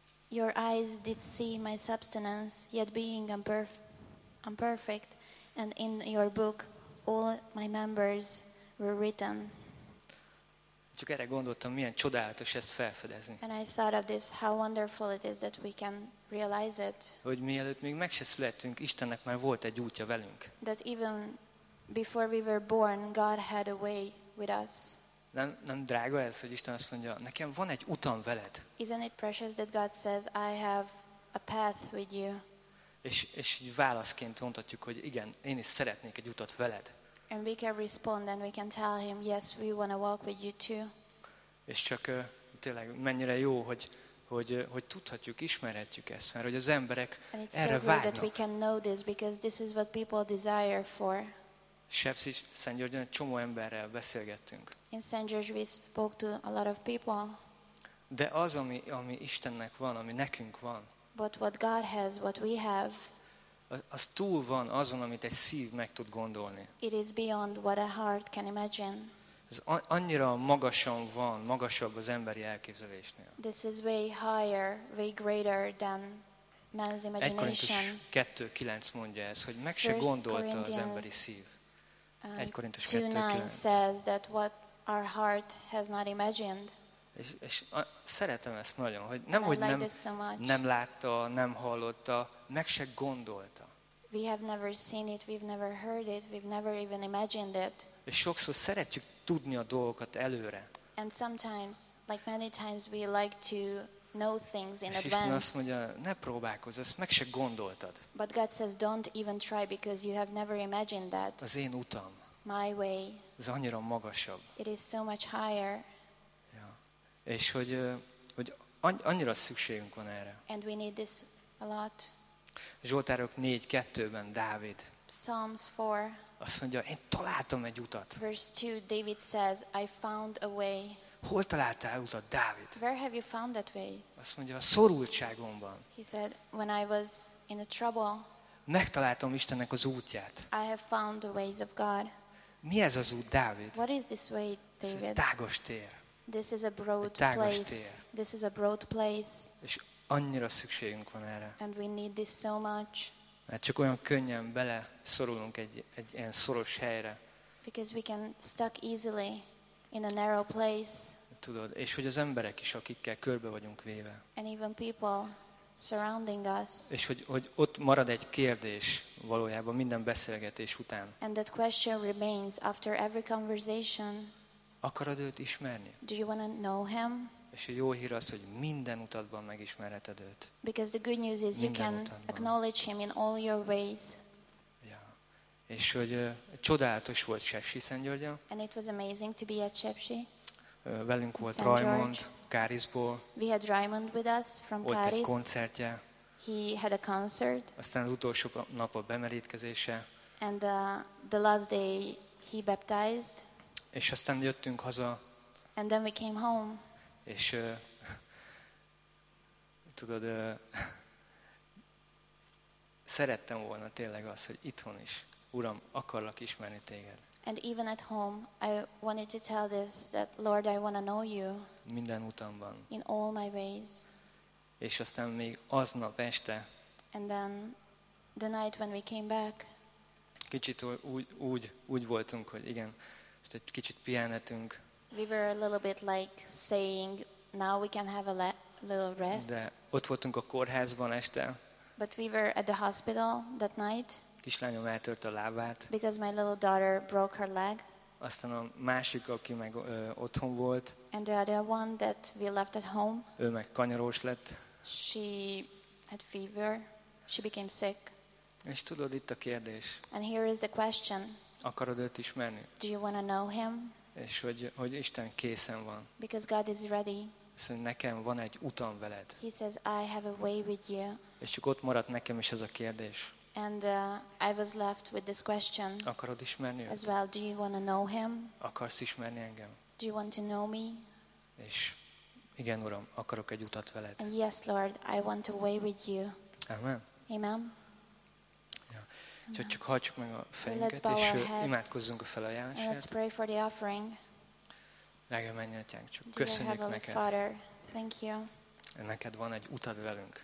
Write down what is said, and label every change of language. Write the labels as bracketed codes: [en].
[en] Your eyes did see my substance, yet being unperfect, and in your book all my members were written. [hu] Csak erre gondoltam, milyen csodálatos ezt felfedezni. [en] And I thought of this, how wonderful it is that we can realize it. [hu] Hogy mielőtt még meg se születtünk, Istennek már volt egy útja velünk. [en] That even before we were born, God had a way with us. [hu] Nem drága ez, hogy Isten azt mondja, nekem van egy utam veled. [en] Isn't it precious that God says, I have a path with you? [hu] És így válaszként mondhatjuk, hogy igen, én is szeretnék egy utat veled. [en] And we can respond and we can tell him, yes, we want to walk with you too. [hu] És csak tényleg mennyire jó, hogy tudhatjuk, ismerhetjük ezt, mert hogy az emberek erre vágynak. [en] so good that we can know this, because this is what people desire for. [hu] Sepsis, Szent Györgyön, egy csomó emberrel beszélgettünk. [en] In St. George we spoke to a lot of people. [hu] De az, ami Istennek van, ami nekünk van, [en] but what God has, what we have, [hu] az túl van azon, amit egy szív meg tud gondolni. [en] It is beyond what a heart can imagine. [hu] Ez annyira magasan van, magasabb az emberi elképzelésnél. [en] This is way higher, way greater than man's imagination. [hu] 2:9 mondja ez, hogy meg se gondolta az emberi szív. [en] 2:9 says that what our heart has not imagined. [hu] És szeretem ezt nagyon, hogy nem, hogy nem, [en] like so [hu] nem látta, nem hallotta, meg se gondolta. [en] We have never seen it, we've never heard it, we've never even imagined it. [hu] És sokszor szeretjük tudni a dolgokat előre. [en] And sometimes, like many times, we like to know things in advance. [hu] És Isten azt mondja, ne próbálkozz, ezt meg se gondoltad. [en] But God says, don't even try, because you have never imagined that. [hu] Az én utam. [en] My way. [hu] Ez annyira magasabb. [en] It is so much higher. [hu] És hogy annyira szükségünk van erre. [en] And we need this a lot. [hu] Zsoltárok 4:2-ben Dávid. [en] Psalms 4. [hu] Azt mondja, én találtam egy utat. [en] Verse 2, David says, I found a way. [hu] Hol találtál utat, Dávid? [en] Where have you found that way? [hu] Azt mondja, a szorultságomban. [en] He said, when I was in a trouble. [hu] Megtaláltam Istennek az útját. [en] I have found the ways of God. [hu] Mi ez az út, Dávid? [en] What is this way, David? [hu] Ez tágos tér. [en] This is a broad place. This is a broad place. [hu] És annyira szükségünk van erre. [en] And we need this so much. [hu] Mert csak olyan könnyen bele szorulunk egy ilyen szoros helyre. [en] Because we can stuck easily in a narrow place. [hu] Tudod, és hogy az emberek is, akikkel körbe vagyunk véve. [en] And even people surrounding us. [hu] És hogy ott marad egy kérdés valójában minden beszélgetés után. [en] And that question remains after every conversation. [hu] Akarod őt ismerni? [en] Do you want to know him? [hu] És a jó hír az, hogy minden utadban megismerheted őt. [en] Because the good news is you can acknowledge him in all your ways. Ja. [hu] És hogy csodálatos volt Sepsi Szent Györgya. [en] And it was amazing to be at Sepsi. [hu] Velünk volt Raymond Kárisból. [en] We had Raymond with us from Káris. [hu] Ott egy koncertje. [en] He had a concert. [hu] Aztán az utolsó nap a bemerítkezése. [en] And the last day he baptized. [hu] És aztán jöttünk haza. [en] And then we came home. [hu] És tudod, szerettem volna tényleg azt, hogy itthon is, Uram, akarlak ismerni téged. [en] And even at home, I wanted to tell this, that Lord, I want to know you. [hu] Minden utamban. [en] In all my ways. [hu] És aztán még aznap este. [en] And then the night when we came back. [hu] Kicsit úgy voltunk, hogy igen, most egy kicsit pihenhetünk. [en] We were a little bit like saying, now we can have a little rest. [hu] De ott voltunk a kórházban este. [en] But we were at the hospital that night. [hu] Kislányom eltört a lábát. [en] Because my little daughter broke her leg. [hu] Aztán a másik, aki meg otthon volt. [en] And the other one that we left at home. [hu] Ő meg kanyarós lett. [en] She had fever. She became sick. [hu] És tudod, itt a kérdés. [en] And here is the question. [hu] Akarod őt ismerni? [en] Do you want to know him? [hu] És hogy Isten készen van. [en] Because God is ready. [hu] Szóval nekem van egy utam veled. [en] He says, I have a way with you. [hu] És csak ott maradt nekem is ez a kérdés. [en] And I was left with this question. [hu] Akarod ismerni őt? [en] As well, do you want to know him? [hu] Akarsz ismerni engem? [en] Do you want to know me? [hu] És igen, Uram, akarok egy utat veled. [en] And yes, Lord, I want a way with you. [hu] Amen. [en] Amen. [hu] Úgyhogy csak hagyjuk meg a fejünket, és imádkozzunk a felajánlásért. [en] Let's pray for the offering. [hu] Drága mennyi atyánk, csak köszönjük neked. [en] Father, thank you. [hu] Neked van egy utad velünk.